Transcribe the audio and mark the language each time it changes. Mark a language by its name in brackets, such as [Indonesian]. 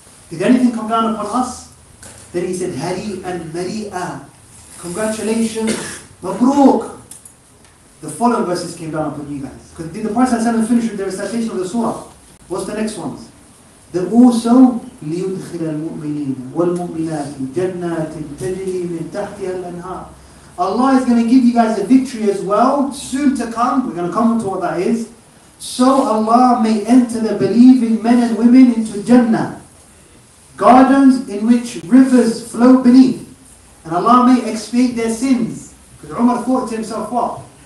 [English] Did anything come down upon us? Then he said, Hari and Mari'a. Congratulations. Mabruk. The following verses came down upon you guys. Did the Prophet finish with the recitation of the surah? What's the next ones? They're also [Arabic] ليدخل المؤمنين والمؤمنات جنات تجري من تحتها الأنهار. [English] Allah is going to give you guys a victory as well, soon to come. We're going to comment on what that is. So Allah may enter the believing men and women into Jannah, gardens in which rivers flow beneath. And Allah may expiate their sins. Because Umar thought to himself, what?